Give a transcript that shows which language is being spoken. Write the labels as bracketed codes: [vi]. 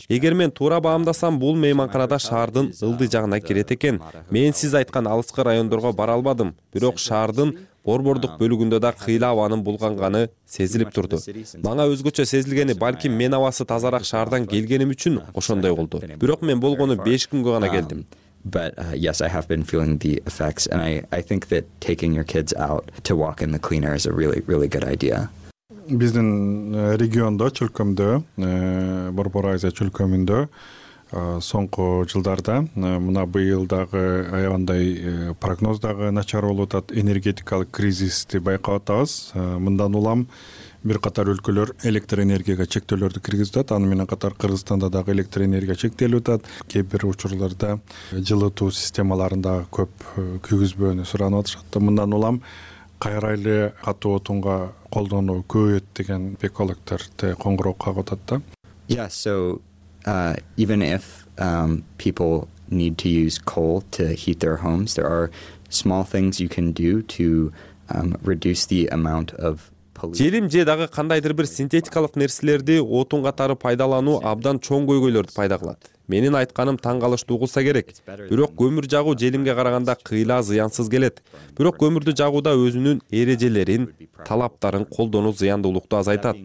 [ky] Эгер мен туура баамдасам, бул мейманканада шаардын ылдый жагына кирет экен. Мен сиз айткан алыскы райондорго бара албадым. Бирок шаардын борбордук бөлүгүндө да кыйла абанын булганганы сезилип турду. Мага өзгөчө сезилгени балким мен абасы тазараак шаардан келгеним үчүн ошондой болду. Бирок мен болгону 5 күнгө гана келдим. [en] But yes, I have been feeling the effects, and I think that taking your kids out to walk in the clean air is a really, really good idea. [ky] Биздин региондо, чөлкөмдө, Борбор Азия чөлкөмүндө соңку жылдарда мына быйыл дагы аябандай прогноз дагы начар болуп атат, энергетикалык кризисти байкап атабыз. Мындан улам бир катар өлкөлөр электр энергияга чектөөлөрдү киргизип атат, аны менен катар Кыргызстанда дагы электр энергия чектелип атат. Кээ бир учурларда жылытуу системаларын дагы көп күйгүзбөөнү суранып атышат да. Мындан улам кайра эле катуу отунга колдонуу көбөйөт деген экологдорду коңгуроо кагып атат да. [en] Yeah, so even if people need to use coal to heat their homes, there are small things you can do to reduce the amount of [ky] желим же дагы кандайдыр бир синтетикалык нерселерди отун катары пайдалануу абдан чоң көйгөйлөрдү пайда кылат. менин айтканым таң калыштуу кылса керек. Бирок көмүр жагуу желимге караганда кыйла зыянсыз келет. Бирок көмүрдү жагууда өзүнүн эрежелерин, талаптарын колдонуу зыяндуулукту азайтат.